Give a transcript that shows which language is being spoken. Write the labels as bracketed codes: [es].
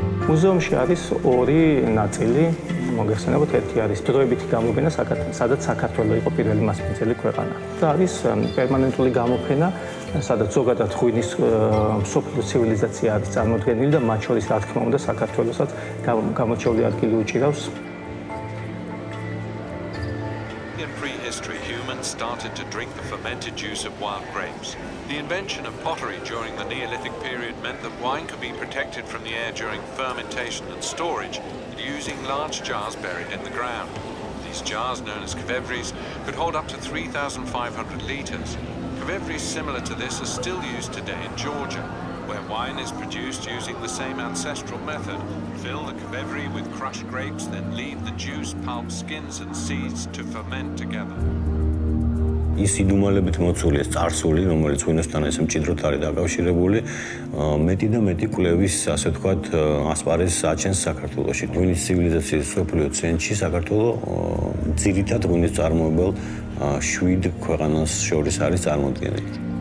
[ka] მუზეუმში არის ორი ნაწილი, მოგეხსენებათ, ერთი არის დროებითი გამოფენა, სადაც საქართველო იყო პირველი მასპინძელი ქვეყანა. და არის პერმანენტული გამოფენა, სადაც ზოგადად ღვინის მსოფლიო ცივილიზაცია არის წარმოდგენილი და მათ შორის, რა თქმა უნდა, საქართველოსაც გამორჩეული ადგილი უჭირავს. [en] Started to drink the fermented juice of wild grapes. The invention of pottery during the Neolithic period meant that wine could be protected from the air during fermentation and storage using large jars buried in the ground. These jars, known as kvevris, could hold up to 3,500 liters. Kvevris similar to this are still used today in Georgia, where wine is produced using the same ancestral method. Fill the kvevri with crushed grapes, then leave the juice, pulp, skins, and seeds to ferment together. [ka] ის იდუმალებით მოცული ეს წარსული, რომელიც ღვინოსთან ესე მჭიდროდ არის დაკავშირებული, მეტი და მეტი კვლევის, ასე ვთქვათ, ასპარეს აჩენს საქართველოში. ღვინის ცივილიზაციის მსოფლიო ცენტრში საქართველო ძირითად ღვინის წარმოებელ შვიდ ქვეყანას შორის არის წარმოდგენილი.